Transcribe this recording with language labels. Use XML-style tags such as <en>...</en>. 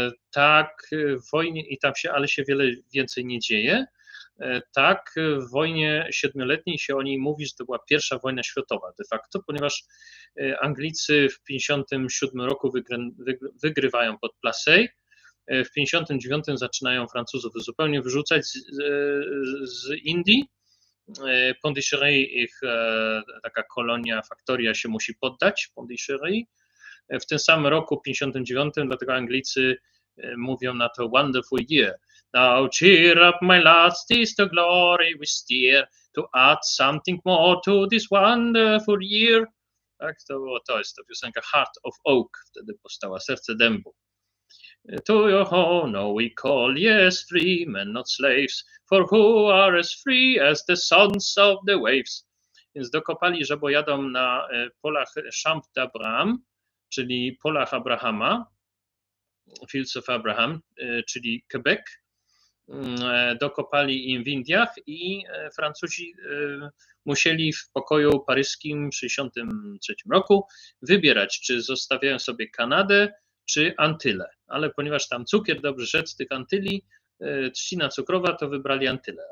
<pl>tak w wojnie i tam się, ale się wiele więcej nie dzieje, tak w wojnie siedmioletniej się o niej mówi, że to była pierwsza wojna światowa de facto, ponieważ Anglicy w 1957 roku wygrywają pod Plassey, w 59 zaczynają Francuzów zupełnie wyrzucać z Indii. Pondicherry, ich taka kolonia, faktoria się musi poddać, Pondicherry. W tym samym roku, 59, dlatego Anglicy mówią na to</pl> <en>wonderful year. Now cheer up my lads, tis the glory we steer to add something more to this wonderful year.</en> <pl>Tak, to było, to jest to piosenka Heart of Oak, wtedy powstała Serce Dębu.</pl> <en>To your honor we call, yes, free men, not slaves, for who are as free as the sons of the waves.</en> <pl>Więc dokopali, że jadą na polach Champ d'Abraham, czyli polach Abrahama, Fields of Abraham, czyli Quebec, dokopali im w Indiach i Francuzi musieli w pokoju paryskim w 1963 roku wybierać, czy zostawiają sobie Kanadę, czy Antyle, ale ponieważ tam cukier dobrze rzedł z tych Antyli, trzcina cukrowa, to wybrali Antyle.</pl>